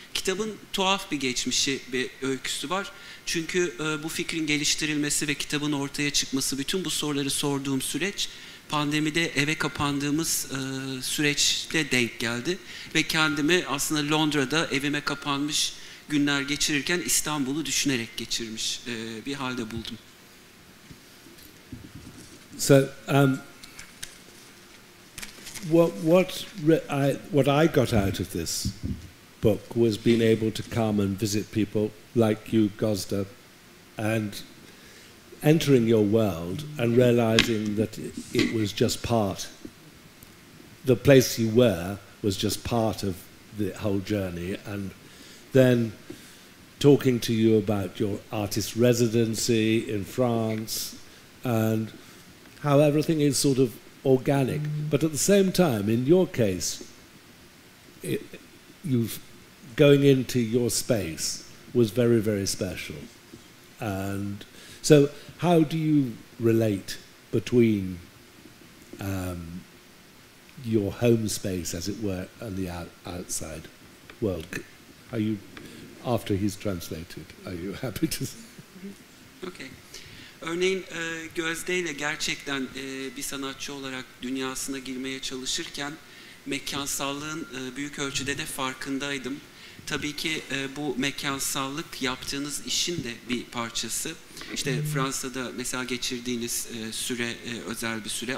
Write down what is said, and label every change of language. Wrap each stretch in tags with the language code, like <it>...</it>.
<tr>Kitabın tuhaf bir geçmişi, bir öyküsü var. Çünkü bu fikrin geliştirilmesi ve kitabın ortaya çıkması, bütün bu soruları sorduğum süreç pandemide eve kapandığımız süreçte denk geldi. Ve kendimi aslında Londra'da evime kapanmış günler geçirirken İstanbul'u düşünerek geçirmiş bir halde buldum.</tr> <en>So what I got out of this book was being able to come and visit people like you, Gosda, and entering your world and realizing that it was just part, the place you were was just part of the whole journey, and then talking to you about your artist residency in France and how everything is sort of organic. But at the same time, in your case, you've going into your space was very, very special. And so how do you relate between your home space, as it were, and the outside world? Are you, after he's translated, are you happy to say? Okay.</en> <tr>Örneğin Gözde ile gerçekten bir sanatçı olarak dünyasına girmeye çalışırken mekansallığın büyük ölçüde de farkındaydım. Tabii ki bu mekansallık yaptığınız işin de bir parçası. İşte Fransa'da mesela geçirdiğiniz süre özel bir süre.</tr>